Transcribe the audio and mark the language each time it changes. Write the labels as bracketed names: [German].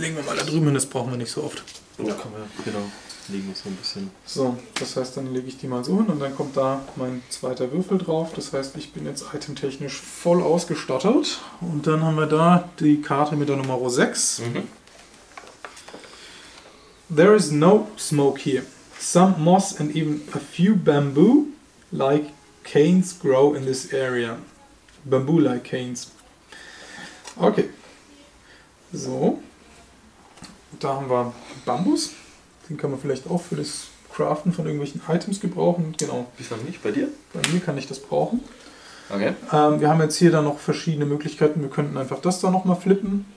[German] Legen wir mal da drüben hin, das brauchen wir nicht so oft. Oh, ja. Komm, ja. Genau. Legen wir so ein bisschen. So, das heißt, dann lege ich die mal so hin und dann kommt da mein zweiter Würfel drauf. Das heißt, ich bin jetzt itemtechnisch voll ausgestattet. Und dann haben wir da die Karte mit der Nummer 6. Mhm. [English] There is no smoke here. Some moss and even a few bamboo like canes grow in this area. Bamboo like canes. [German] Okay, so, da haben wir Bambus, den kann man vielleicht auch für das Craften von irgendwelchen Items gebrauchen, genau. Bisher nicht, bei dir? Bei mir kann ich das brauchen. Okay. Wir haben jetzt hier dann noch verschiedene Möglichkeiten, wir könnten einfach das da nochmal flippen.